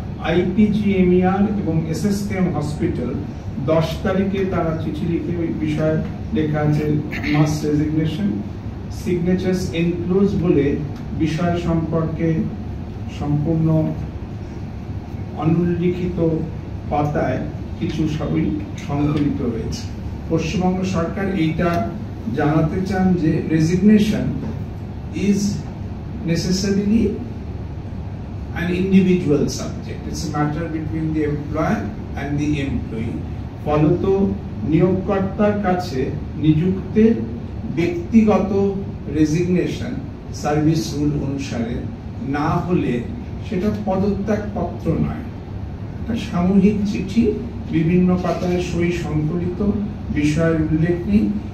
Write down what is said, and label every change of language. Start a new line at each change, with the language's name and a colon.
Bangla: IPGMER এবং SSKM hospital 10 তারিখে তারা চিঠি লিখে ওই বিষয়ে লেখা আছে
English: mass resignation, signatures enclose
Bangla: বলে বিষয় সম্পর্কে সম্পূর্ণ অনুল্লিখিত পাতায় কিছু সবই সংকলিত রয়েছে। পশ্চিমবঙ্গ সরকার এইটা জানাতে চান যে
English: Resignation is necessarily an individual subject, it's a matter between the employer and the employee.
Bangla: ফলত নিয়োগকর্তার কাছে নিযুক্তের ব্যক্তিগত রেজিগনেশন সার্ভিস রুল অনুসারে না হলে সেটা পদত্যাগ পত্র নয়, একটা সামূহিক চিঠি, বিভিন্ন পাতায় সই সংকলিত, বিষয়ের উল্লেখ নেই।